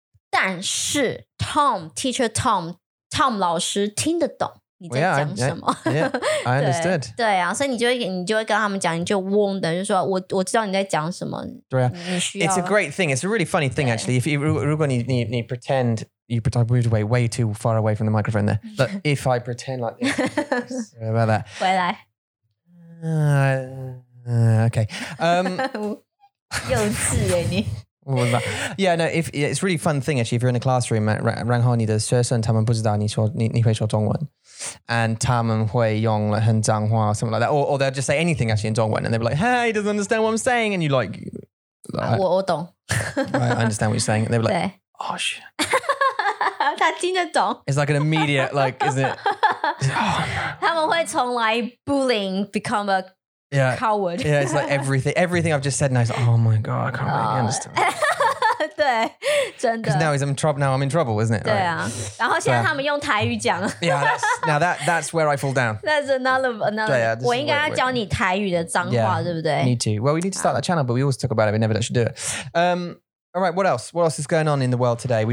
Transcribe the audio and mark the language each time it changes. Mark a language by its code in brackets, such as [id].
[zh] 但是 Tom 老师听得懂你在讲什么。 [en] Yeah, I understood. [zh] 对啊，所以你就会跟他们讲，你就 warn 的，就说我知道你在讲什么。 [en] 对啊，It's a great thing. It's a really funny thing actually. If you [zh] 如果你 [en] pretend. You pretend we're way too far away from the microphone there. But if I pretend like this, sorry about that. Where are okay. [zh] 幼稚耶你。 [en] Yeah, no, if, it's a really fun thing actually. If you're in a classroom, [zh] 然后你的学生他们不知道你会说中文。 [en] And [zh] 他们会用了很脏话 [en] something like that. Or they'll just say anything actually in 中文 and they'll be like, hey, he doesn't understand what I'm saying. And you're like, I 懂。 I understand what you're saying. And they'll be like, oh, shit. [zh] 他听得懂 [en] It's like an immediate like isn't it [zh] 他们会从 [en] like bullying become a coward yeah it's like everything I've just said now is like, oh my god I can't really understand [zh] 对真的 [en] cause now I'm in trouble isn't it [zh] 对啊、right. 然后现在他们用台语讲 [en] yeah that's where I fall down that's another [zh] 对啊我应该要教你台语的脏话 [en] yeah, [zh] 对不对 [en] need to well we need to start that channel but we always talk about it we never actually do it All right, what else? What else is going on in the world today?